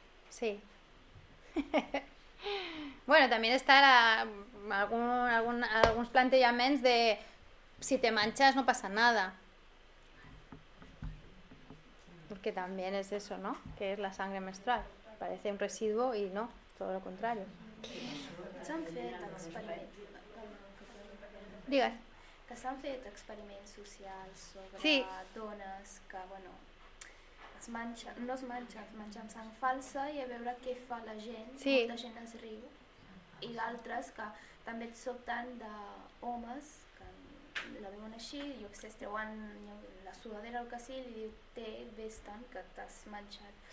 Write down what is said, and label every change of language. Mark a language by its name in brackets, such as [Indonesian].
[Catalan] Sí. Bueno, també està la, alguns plantejaments de si te manches no passa nada. Que també és això, no? Que és [Spanish] la sangre menstrual. Parece un residuo y no, todo lo contrario. [Catalan] S'han fet experiments. Digues. Que s'han fet experiments socials sobre sí. Dones que, bueno, es manxa, no es manxa, es manxa amb sang falsa i a veure què fa la gent, sí. Molta gent es riu. I d'altres que també et sobten d'homes que la veuen així i es treuen la sudadera o el que sigui i li diu té, vés-te'n, que t'has manxat.